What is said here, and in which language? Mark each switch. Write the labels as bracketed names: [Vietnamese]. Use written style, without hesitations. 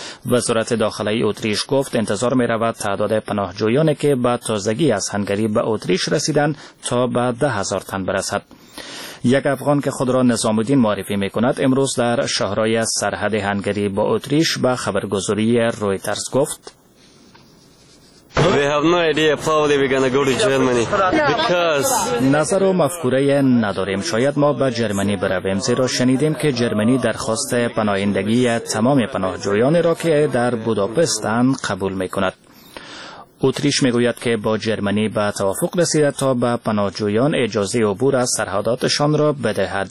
[Persian] وزارت داخلی اتریش گفت انتظار می رود تعداد پناهجویانی که با تازگی از هنگری به اتریش رسیدند تا به 10,000 تن برسد. یک افغان که خود را نظام الدین معرفی می کند امروز در شهرهای سرحد هنگری با اتریش به خبرگزاری رویترز گفت [English] We have no idea probably we're going to go to Germany because [Persian] نظر و مفکوره نداریم شاید ما به جرمنی برویم زیرا شنیدیم که جرمنی درخواست پناهندگی تمام پناهجویان را که در بوداپست هستند قبول میکند. اتریش میگوید که با جرمنی به توافق رسیده تا به پناهجویان اجازه عبور از سرحداتشان را بدهد.